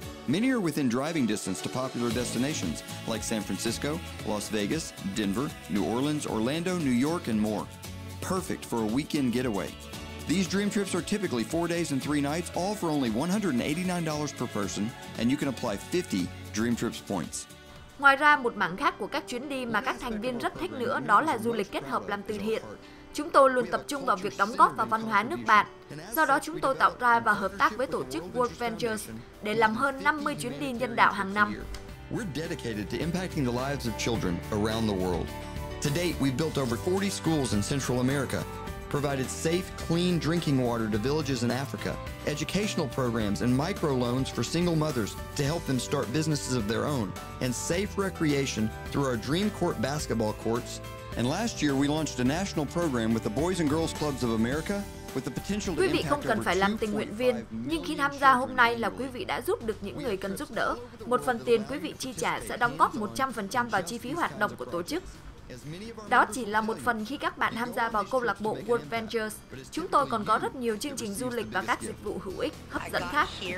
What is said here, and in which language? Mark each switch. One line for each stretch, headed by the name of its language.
English: Many are within driving distance to popular destinations like San Francisco, Las Vegas, Denver, New Orleans, Orlando, New York, and more. Perfect for a weekend getaway. These dream trips are typically 4 days and three nights, all for only $189 per person, and you can apply 50 dream trips points.
Vietnamese: Ngoài ra, một mảng khác của các chuyến đi mà các thành viên rất thích nữa đó là du lịch kết hợp làm từ thiện. Chúng tôi luôn tập trung vào việc đóng góp vào văn hóa nước bạn. Do đó, chúng tôi tạo ra và hợp tác với tổ chức World Ventures để làm hơn 50 chuyến đi nhân đạo hàng năm.
English: We're dedicated to impacting the lives of children around the world. To date, we've built over 40 schools in Central America, provided safe, clean drinking water to villages in Africa, educational programs and microloans for single mothers to help them start businesses of their own, and safe recreation through our Dream Court basketball courts. And last year, we launched a national program with the Boys and Girls Clubs of America with the potential to impact over 2.5 million children.
Vietnamese: Quý vị không cần phải làm tình nguyện viên, nhưng khi tham gia hôm nay là quý vị đã giúp được những người cần giúp đỡ. Một phần tiền quý vị chi trả sẽ đóng góp 100% vào chi phí hoạt động của tổ chức. Đó chỉ là một phần khi các bạn tham gia vào câu lạc bộ World Ventures. Chúng tôi còn có rất nhiều chương trình du lịch và các dịch vụ hữu ích hấp dẫn khác.